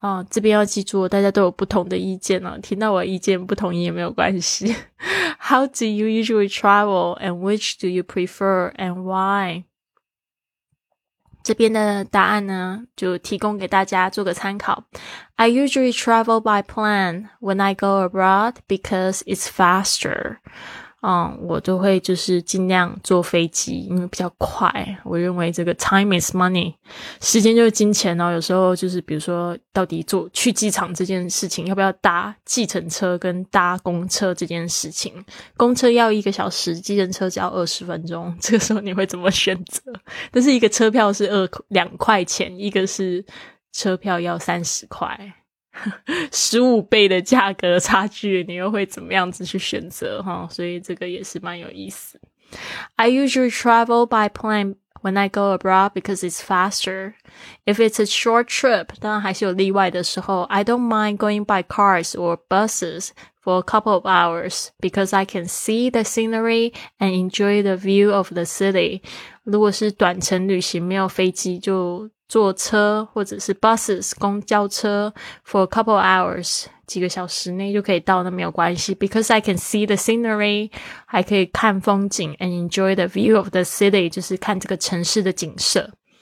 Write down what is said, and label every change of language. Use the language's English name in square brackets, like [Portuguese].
[Chinese] 这边要记住大家都有不同的意见了，听到我意见不同意也没有关系 [English] how do you usually travel and which do you prefer and why， [Chinese] 这边的答案呢就提供给大家做个参考。 [English] I usually travel by plane when I go abroad because it's faster. [Chinese] 我都会就是尽量坐飞机，因为比较快。我认为这个 [English] time is money， [Chinese] 时间就是金钱哦。有时候就是比如说，到底坐去机场这件事情，要不要搭计程车跟搭公车这件事情，公车要一个小时，计程车只要20分钟，这个时候你会怎么选择？但是一个车票是2块钱，一个是车票要30块，15倍的价格差距，你又会怎么样子去选择齁，所以这个也是蛮有意思。 [English] I usually travel by plane when I go abroad because it's faster. If it's a short trip, [Chinese] 当然还是有例外的时候， [English] I don't mind going by cars or buses for a couple of hours because I can see the scenery and enjoy the view of the city. [Chinese] 如果是短程旅行没有飞机就坐车或者是 buses 公交车 [English] for a couple hours [Chinese] 几个小时内就可以到，那没有关系， [English] because I can see the scenery， [Chinese] 还可以看风景 [English] and enjoy the view of the city， [Chinese] 就是看这个城市的景色。